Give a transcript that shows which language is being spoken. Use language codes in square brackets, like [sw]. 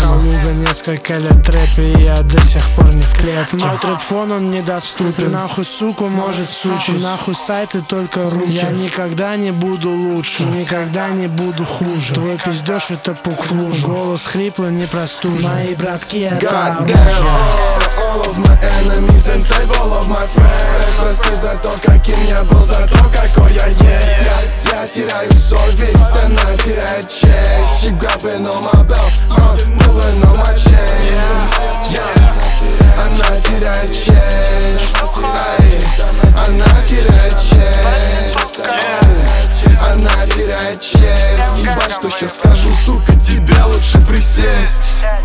[ru] Калуга несколько лет трэп, и я до сих пор не в клетке. Мой трэп-фон он недоступен, нахуй суку может сучить. Нахуй сайты, только руки. Я никогда не буду лучше, никогда не буду хуже. Твой пиздеж это пук флужа. Голос хриплый, не простужен. Мои братки, это оружие. [en] All of my enemies and save all of my friends. [ru] Прости за то, каким я был, за то, какой я есть. Я теряю совесть, она теряет честь. [en] She grabbing on my belt, pulling on my chain. [ru] Она теряет честь, ай. Она теряет честь, она теряет честь. Ебать, что сейчас скажу, сука, тебе лучше присесть.